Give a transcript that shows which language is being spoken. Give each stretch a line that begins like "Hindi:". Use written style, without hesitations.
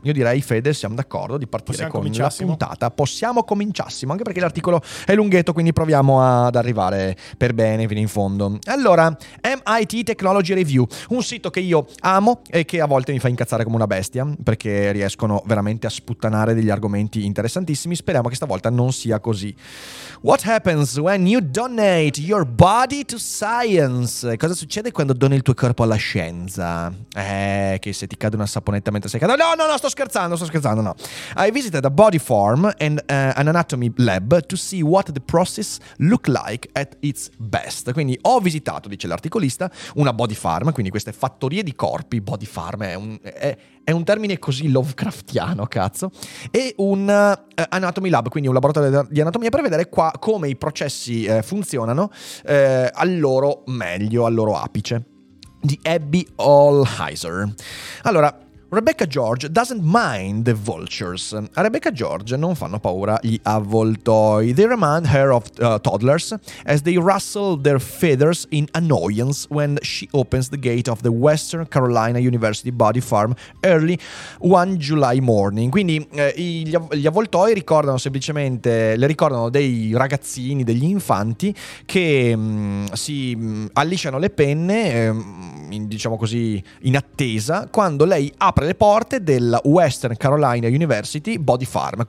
Italian: Io direi, Fede, siamo d'accordo di partire con la puntata. Possiamo cominciassimo, anche perché l'articolo è lunghetto, quindi proviamo ad arrivare per bene fino in fondo. Allora, MIT Technology Review, un sito che io amo e che a volte mi fa incazzare come una bestia, perché riescono veramente a sputtanare degli argomenti interessantissimi. Speriamo che stavolta non sia così.
English: What happens when you donate your body to science?
Italian: Cosa succede quando doni il tuo corpo alla scienza? Che se ti cade una saponetta mentre sei cadendo. No, sto scherzando.
English: I visited a body farm and an anatomy lab to see what the process look like at its best.
Italian: Quindi ho visitato, dice l'articolista, una body farm, quindi queste fattorie di corpi, body farm è un termine così lovecraftiano, cazzo, e un anatomy lab, quindi un laboratorio di anatomia, per vedere qua come i processi funzionano al loro meglio, al loro apice, di Abby Allheiser. Allora,
English: Rebecca George doesn't mind the vultures.
Italian: A Rebecca George non fanno paura gli avvoltoi.
English: They remind her of toddlers as they rustle their feathers in annoyance when she opens the gate of the Western Carolina University Body Farm early one July morning.
Italian: Quindi gli avvoltoi ricordano semplicemente, le ricordano dei ragazzini, degli infanti che si allisciano le penne, diciamo così, in attesa, quando lei apre le porte della Western Carolina University Body Farm.